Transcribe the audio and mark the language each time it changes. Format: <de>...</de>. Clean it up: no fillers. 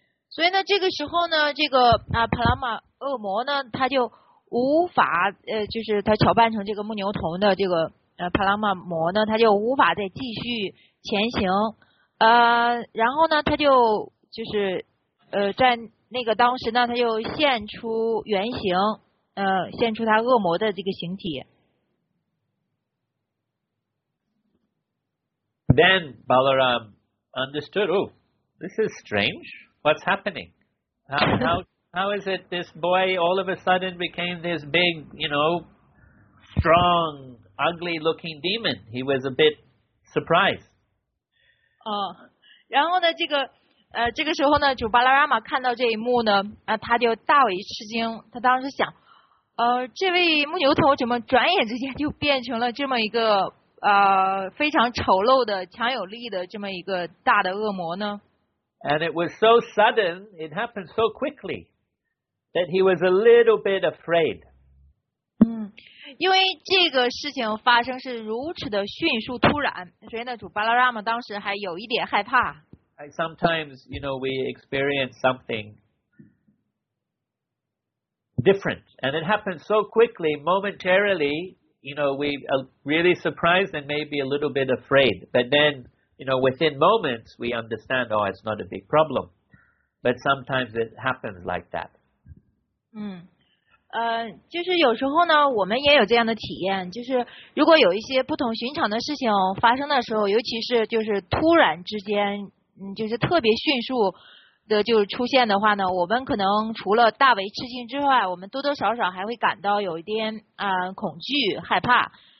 <zh>所以呢，这个时候呢，这个帕拉玛恶魔呢，他就无法就是他乔扮成这个牧牛童的这个帕拉玛魔呢，他就无法再继续前行。然后呢，他就是在那个当时呢，他就现出原形，现出他恶魔的这个形体。</zh> <en>Then Balaram understood. Oh, this is strange. What's happening? How is it this boy all of a sudden became this big, strong, ugly-looking demon? He was a bit surprised.</en> <zh>然后呢，这个时候呢，主巴拉拉玛看到这一幕呢，他就大为吃惊。他当时想，这位牧牛头怎么转眼之间就变成了这么一个非常丑陋的、强有力的这么一个大的恶魔呢？</zh> <en>And it was so sudden, it happened so quickly, that he was a little bit afraid.</en> <zh>因为这个事情发生是如此的迅速突然，所以呢，主巴拉拉姆当时还有一点害怕。</zh> <en>Sometimes, you know, we experience something different, and it happens so quickly, momentarily. You know, we are really surprised and maybe a little bit afraid, but then, you know, within moments, we understand, oh, it's not a big problem. But sometimes it happens like that.</en> <zh>就是有时候呢，我们也有这样的体验，就是如果有一些不同寻常的事情发生的时候，尤其是就是突然之间，就是特别迅速的就出现的话呢，我们可能除了大为吃惊之外，我们多多少少还会感到有一点恐惧、害怕。</zh>